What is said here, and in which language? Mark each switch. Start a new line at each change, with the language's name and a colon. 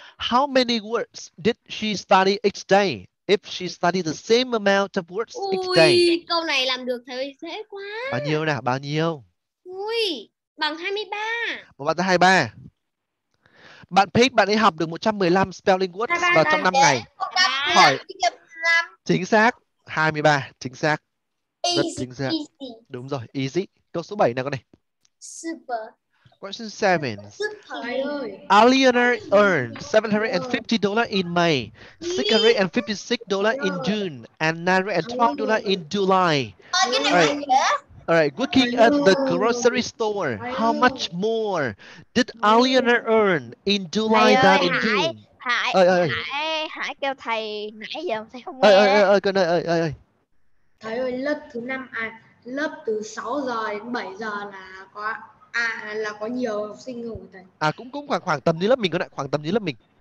English: How many words did she study each day? If she studied the same amount of words each day.
Vietnamese: Ui, câu này làm được thầy ơi, dễ quá. Bao nhiêu nè, bao nhiêu? Ui, bằng 23. Một bạn ra 23. Bạn Pete, bạn ấy học được 115 spelling words vào trong 5 ngày. Hỏi. Chính xác, 23, chính xác. Rất chính xác. Đúng rồi,
English: easy.
Vietnamese: Câu số 7 nè con này.
English: Super. Question 7. Alioner earned $750 in May, $656 in June, and $912 in July. All right. Looking at the grocery store, how much more did Alioner earn in July than in June?
Vietnamese: Hải kêu thầy nãy giờ thầy không nghe. Ơi. Thầy ơi, lớp thứ 5 lớp từ 6 giờ đến 7 giờ là có là có nhiều học sinh không thầy? Cũng khoảng tầm như lớp mình con ạ, khoảng tầm như lớp mình.